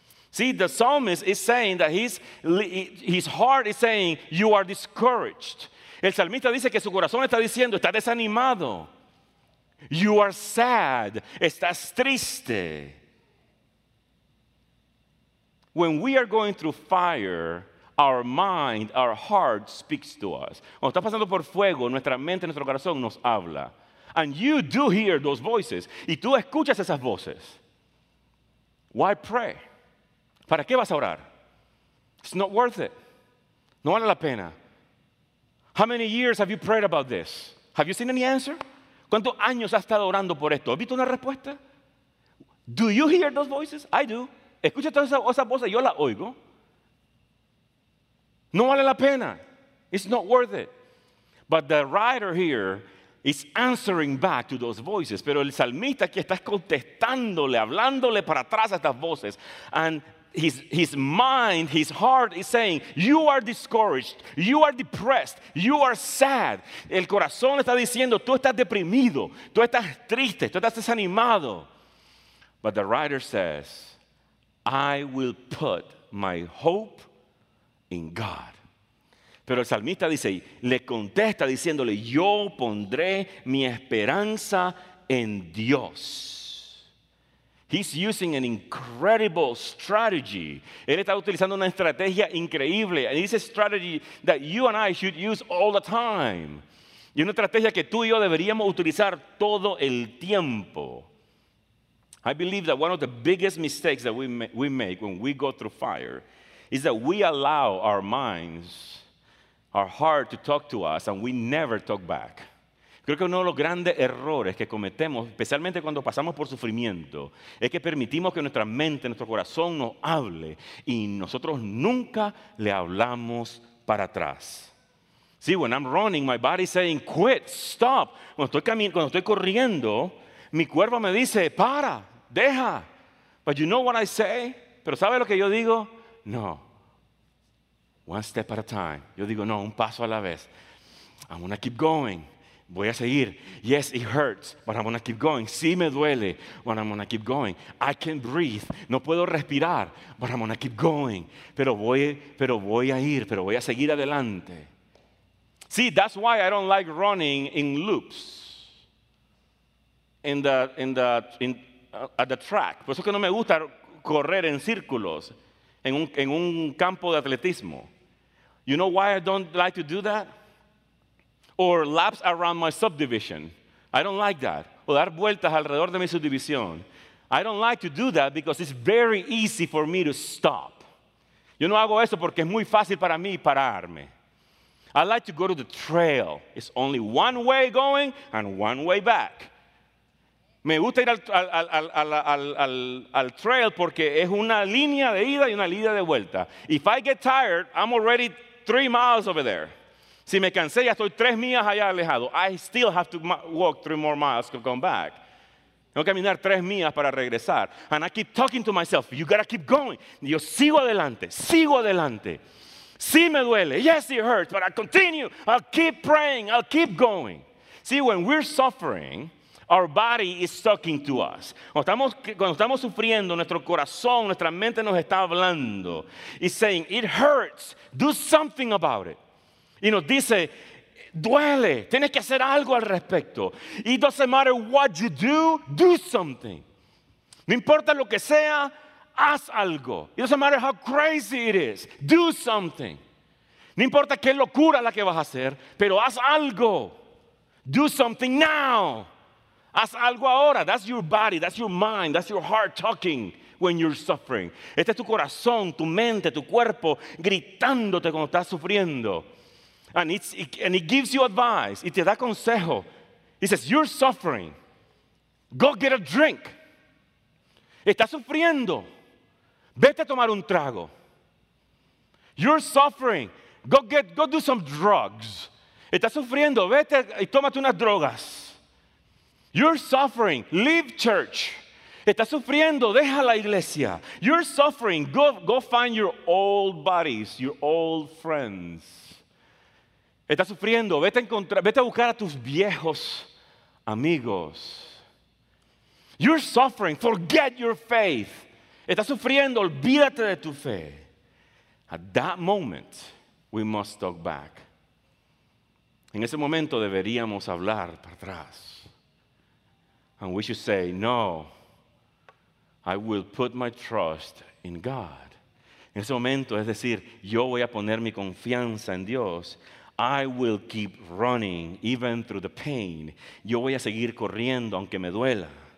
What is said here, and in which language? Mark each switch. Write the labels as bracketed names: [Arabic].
[English] See, the psalmist is saying that his heart is saying, you are discouraged. [Spanish] El salmista dice que su corazón está diciendo, está desanimado. [English] You are sad. [Spanish] Estás triste. [English] When we are going through fire, our mind, our heart speaks to us. [Spanish] Cuando estás pasando por fuego, nuestra mente, nuestro corazón nos habla. [English] And you do hear those voices. [Spanish] Y tú escuchas esas voces. [English] Why pray? [Spanish] ¿Para qué vas a orar? [English] It's not worth it. [Spanish] No vale la pena. [English] How many years have you prayed about this? Have you seen any answer? [Spanish] ¿Cuántos años has estado orando por esto? ¿Has visto una respuesta? [English] Do you hear those voices? I do. [Spanish] ¿Escuchas todas esas voces? Yo las oigo. No vale la pena. [English] It's not worth it. But the writer here is answering back to those voices. [Spanish] Pero el salmista aquí está contestándole, hablándole para atrás a estas voces. [English] And his mind, his heart is saying, you are discouraged, you are depressed, you are sad. [Spanish] El corazón está diciendo, tú estás deprimido, tú estás triste, tú estás desanimado. [English] But the writer says, I will put my hope in God. [Spanish] Pero el salmista dice, le contesta diciéndole, yo pondré mi esperanza en Dios. [English] He's using an incredible strategy. [Spanish] Él está utilizando una estrategia increíble. [English] And it's a strategy that you and I should use all the time. [Spanish] Y una estrategia que tú y yo deberíamos utilizar todo el tiempo. [English] I believe that one of the biggest mistakes that we make when we go through fire is that we allow our minds, our heart to talk to us, and we never talk back. [Spanish] Creo que uno de los grandes errores que cometemos, especialmente cuando pasamos por sufrimiento, es que permitimos que nuestra mente, nuestro corazón nos hable y nosotros nunca le hablamos para atrás. [English] See, when I'm running, my body's saying, quit, stop. [Spanish] Cuando estoy corriendo, mi cuerpo me dice, para, deja. [English] But you know what I say? [Spanish] ¿Pero sabe lo que yo digo? [English] No. One step at a time. [Spanish] Yo digo, no, un paso a la vez. [English] I'm going to keep going. [Spanish] Voy a seguir. [English] Yes, it hurts, but I'm going to keep going. [Spanish] Sí, me duele, [English] but I'm going to keep going. I can't breathe. [Spanish] No puedo respirar, [English] but I'm going to keep going. [Spanish] Pero voy a seguir adelante. [English] See, that's why I don't like running in loops at the track. [Spanish] Por eso que no me gusta correr en círculos en un campo de atletismo. [English] You know why I don't like to do that? Or laps around my subdivision. I don't like that. [Spanish] O dar vueltas alrededor de mi subdivisión. [English] I don't like to do that because it's very easy for me to stop. [Spanish] Yo no hago eso porque es muy fácil para mí pararme. [English] I like to go to the trail. It's only one way going and one way back. [Spanish] Me gusta ir al trail porque es una línea de ida y una línea de vuelta. [English] If I get tired, I'm already 3 miles over there. [Spanish] Si me cansé, ya estoy 3 millas allá alejado. [English] I still have to walk 3 more miles to come back. [Spanish] Tengo que caminar 3 millas para regresar. [English] And I keep talking to myself, you gotta keep going. [Spanish] Y yo sigo adelante. Sí me duele. [English] Yes, it hurts, but I continue. I'll keep praying. I'll keep going. See, when we're suffering, our body is talking to us. [Spanish] Cuando estamos sufriendo, nuestro corazón, nuestra mente nos está hablando. [English] It's saying, it hurts. Do something about it. [Spanish] Y nos dice, duele, tienes que hacer algo al respecto. [English] It doesn't matter what you do, do something. [Spanish] No importa lo que sea, haz algo. [English] It doesn't matter how crazy it is, do something. [Spanish] No importa qué locura la que vas a hacer, pero haz algo. [English] Do something now. [Spanish] Haz algo ahora. [English] That's your body, that's your mind, that's your heart talking. When you're suffering. [Spanish] Este es tu corazón, tu mente, tu cuerpo gritándote cuando estás sufriendo. [English] And it gives you advice. [Spanish] Y te da consejo. [English] He says, you're suffering. Go get a drink. [Spanish] Estás sufriendo. Vete a tomar un trago. [English] You're suffering. Go do some drugs. [Spanish] Estás sufriendo. Vete y tómate unas drogas. [English] You're suffering. Leave church. [Spanish] Estás sufriendo. Deja la iglesia. [English] You're suffering. Go find your old buddies, your old friends. [Spanish] Estás sufriendo, vete a buscar a tus viejos amigos. [English] You're suffering, forget your faith. [Spanish] Estás sufriendo, olvídate de tu fe. [English] At that moment, we must talk back. [Spanish] En ese momento deberíamos hablar para atrás. [English] And we should say, no, I will put my trust in God. [Spanish] En ese momento, es decir, yo voy a poner mi confianza en Dios. [English] I will keep running even through the pain. [Spanish] Yo voy a seguir corriendo aunque me duela.